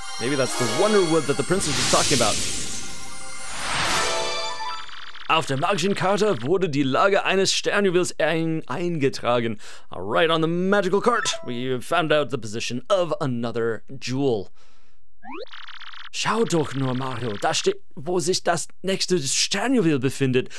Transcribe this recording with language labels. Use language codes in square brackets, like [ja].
[en] Maybe that's the Wonderwood that the princess is talking about. [de] Auf der magischen Karte wurde die Lage eines Sternjuwels eingetragen. [en] Alright, on the magical card, we found out the position of another jewel. [de] Schau doch nur, Mario, da steht, wo sich das nächste Sternjuwel befindet.